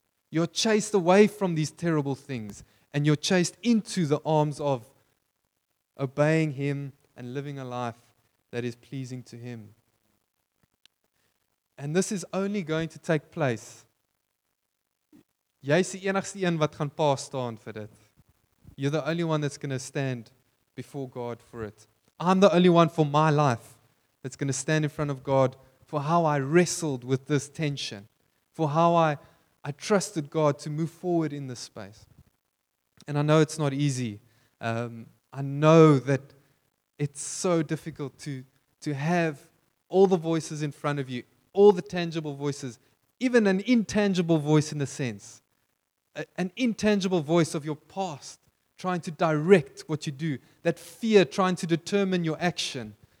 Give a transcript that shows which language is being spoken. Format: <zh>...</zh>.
<en>You're chased away from these terrible things and you're chased into the arms of obeying Him and living a life that is pleasing to Him. And this is only going to take place.</en> <af>Jy is die enigste een wat gaan pa staan vir dit.</af> <en>You're the only one that's going to stand before God for it. I'm the only one for my life that's going to stand in front of God for how I wrestled with this tension, for how I trusted God to move forward in this space. And I know it's not easy. I know that it's so difficult to have all the voices in front of you, all the tangible voices, even an intangible voice in a sense, an intangible voice of your past trying to direct what you do, that fear trying to determine your action.</en>